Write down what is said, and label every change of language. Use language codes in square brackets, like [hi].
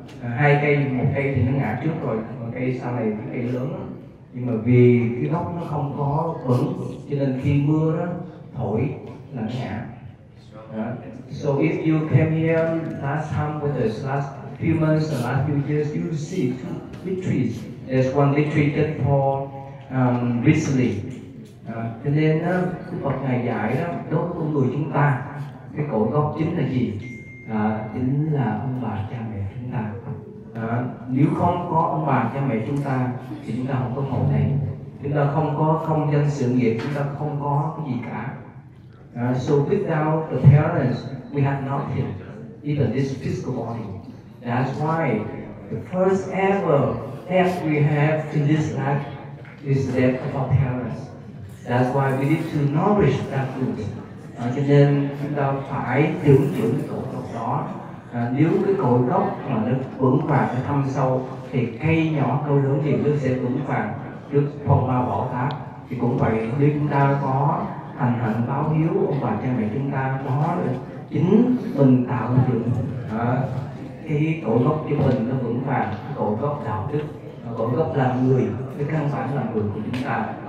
[vi] Hai cây, một cây thì nó ngã trước rồi, còn cây sau này thì cây lớn lắm. Nhưng mà vì cái gốc nó không có vững, cho nên khi mưa đó thổi là ngã. [en] So if you came here last time with us, last few months, the last few years, you see two big trees. There's one big tree that fall recently. [vi] Cho nên Đức Phật ngày dạy đó, đối với người chúng ta, cái cội gốc chính là gì? Chính là ông bà cha mẹ chúng ta. Nếu không có ông bà cha mẹ chúng ta thì chúng ta không có hậu thế. Chúng ta không có công danh sự nghiệp, chúng ta không có cái gì cả. [en] So without the parents, we have nothing, even this physical body. That's why the first ever death we have in this life is the death of our parents. That's why we need to nourish that root. [vi] Cho nên chúng ta phải giữ dưỡng cội gốc đó. Nếu cái cội gốc mà nó vững vàng, nó thâm sâu, thì cây nhỏ cây lớn thì nó sẽ vững vàng trước phong ba bão táp. Thì cũng vậy, nếu chúng ta có hành hạnh báo hiếu ông bà cha mẹ chúng ta, đó là chính mình tạo dựng cái cội gốc cho mình nó vững vàng, cái cội gốc đạo đức, cội gốc làm người, cái căn bản làm người của chúng ta.